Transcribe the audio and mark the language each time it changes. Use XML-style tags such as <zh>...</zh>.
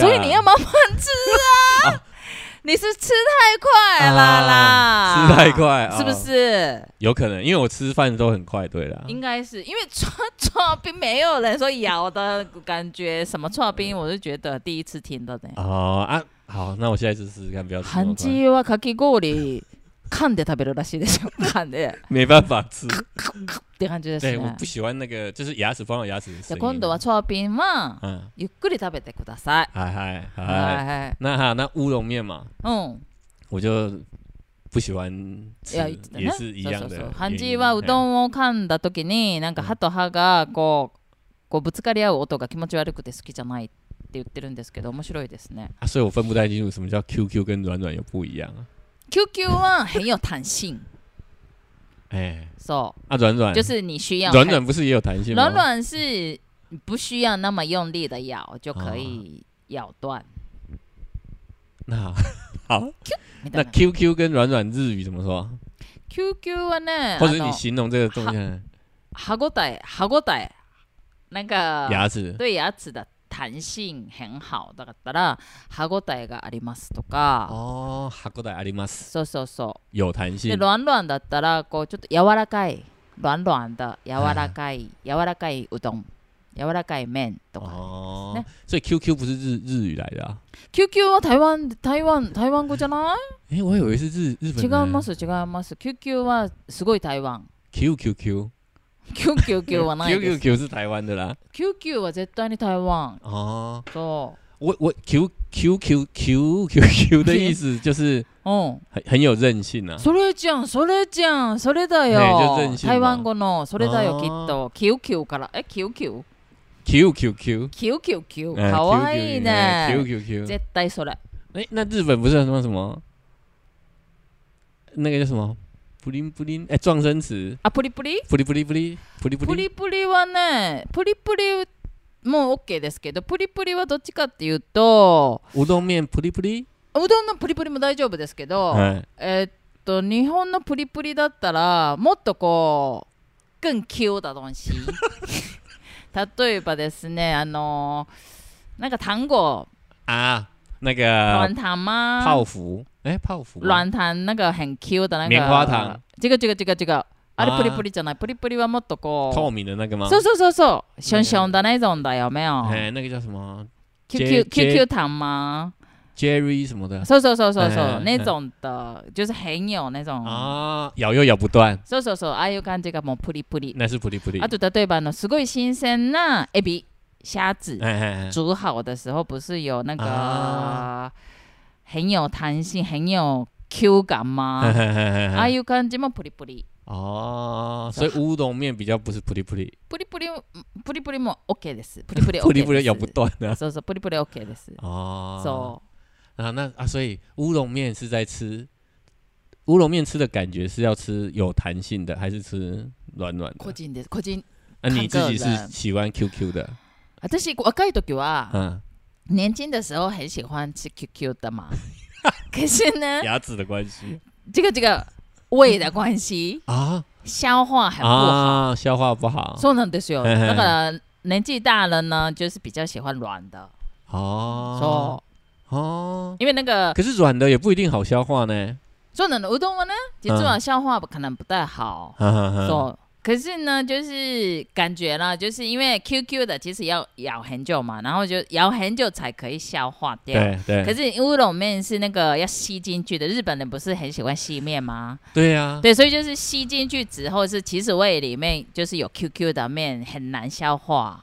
<zh>所以你要慢慢吃啊。你是吃太快啦啦、啊、吃太快、哦、是不是有可能因为我吃饭都很快对啦应该是因为刨冰没有人说咬的感觉什么刨冰我就觉得第一次听的哦啊好那我现在试试看不要吃</zh> <ja>漢字はかき氷噛んで食べるらしいでしょ噛んで</ja> <zh>没办法吃</zh> <ja>って感じですね</ja> <zh>对我不喜欢那个就是牙齿放到牙齿的声</zh> <ja>音今度は刨冰はゆっくり食べてください</ja> <zh>嗨嗨嗨嗨那乌龙面嘛嗯我就不喜欢吃 也是一样的</zh> <ja>漢字はうどんを噛んだ時になんか歯と歯がこうぶつかり合う音が気持ち悪くて好きじゃないって言ってるんですけど面白いですね、</ja> <zh>啊、所以我分不太清楚什么叫 QQ 跟软软又不一样啊 QQ 啊很有弹性哎</zh> <en>so</en> <zh>啊软软就是你需要软软不是也有弹性吗软软是不需要那么用力的咬就可以咬断、哦、那好那 QQ 跟软软日语怎么说 QQ 啊呢或者你形容这个东西</zh> <ja>歯ごたえ歯ごたえ</ja> <zh>那个牙齿对牙齿的弹性很好</zh> <ja>だったら歯ごたえがありますとか、哦、歯ごたえあります。そうそうそう。</ja> <zh>有弹性。</zh> <ja>で、軟軟だったらこうちょっと柔らかい、軟軟的、柔らかいうどん、柔らかい麺とか、ね。哦。</ja> <zh>所以 QQ 不是日语来的、啊。</zh> <ja>QQ は台湾語じゃない？</ja> <zh>え、我以为是日本。</zh> <ja>違います違います。QQ はすごい台湾。 QQQ。 QQQ はないです。</ja> <zh>QQQ 是台湾的啦。</zh> <ja>QQ は絶対に台湾。哦。そう。</ja> <zh>我 QQQQQQ 的意思就是很有韧性啊。</zh> <ja>それじゃん、それじゃん、それだよ。</ja> <zh>就韧性。</zh> <ja>台湾語のそれだよきっと。 QQ から、え、QQ？ QQQQ。 QQQQ。 可愛いね。 QQQ。絶対それ。</ja> <zh>え、那日本不是什么什么？那个叫什么？</zh> <ja>プリンプリン、え、</ja> <zh>撞声词。</zh> <ja>あ、プリプリ？プリプリプリ、プリプリ。プリプリはね、プリプリもオッケーですけど、プリプリはどっちかっていうと、うどん麺プリプリ？うどんのプリプリも大丈夫ですけど、はい、日本のプリプリだったらもっとこう、更キュだ东西。例えばですね、なんか単語。</ja> <zh>あ、那个。软糖吗？泡芙。哎、欸，泡芙、啊。软糖那个很 Q 的那个。棉花糖。这个这个这个这个，</zh> <ja>あれプリプリじゃない。プリプリはもっとこう。</ja> <zh>透明的那个吗？</zh> <ja>そうそうそうそう。</ja> <zh>熊熊的那种的有没有？哎、欸，那个叫什么？QQ 糖吗？Jerry 什么的。</zh> <ja>そうそうそうそうそう、</ja> <zh>欸、那种的、欸，就是很有那种。啊，咬又咬不断。</zh> <ja>そうそうそう、ああいう感じがもうプリプリ。</ja> <zh>那是プリプリ。</zh> <ja>あと例えばのすごい新鮮なエビ、</ja> <zh>虾子、欸欸欸，煮好的时候不是有那个。啊很有弹性，很有 Q 感吗？啊，有感觉吗？プリプリ。哦，所以乌冬面比较不是プリプリ。</zh> <ja>プリプリ、プリプリも OK です。プリプリ OK です。</ja> <zh>プリプリ咬不断的、啊。</zh> <ja>そうそう、プリプリ OK です。哦。そう。</ja> <zh>啊，那啊，所以乌冬面是在吃乌冬面吃的感觉是要吃有弹性的，还是吃软软的？</zh> <ja>個人です。個人。</ja> <zh>啊，你自己是喜欢 QQ 的？</zh> <ja>私若い時は。嗯。</ja> <zh>年轻的时候很喜欢吃 QQ 的嘛，可是呢，牙齿的关系，这个胃的关系啊，消化很不好，啊、消化不好，</zh> <ja>そうなんですよ。</ja> <zh>那个年纪大了呢，就是比较喜欢软的，哦，</zh> <ja>そう，哦，</ja> <zh>因为那个，可是软的也不一定好消化呢。</zh> <ja>そうなの、うどんはね、実は</ja> <zh>消化可能不太好，</zh> <ja>そう。</ja> <zh>可是呢，就是感觉啦，就是因为 QQ 的其实要咬很久嘛，然后就咬很久才可以消化掉。对对。可是乌龙面是那个要吸进去的，日本人不是很喜欢吸面吗？对啊。对，所以就是吸进去之后是其实胃里面就是有 QQ 的面很难消化。</zh>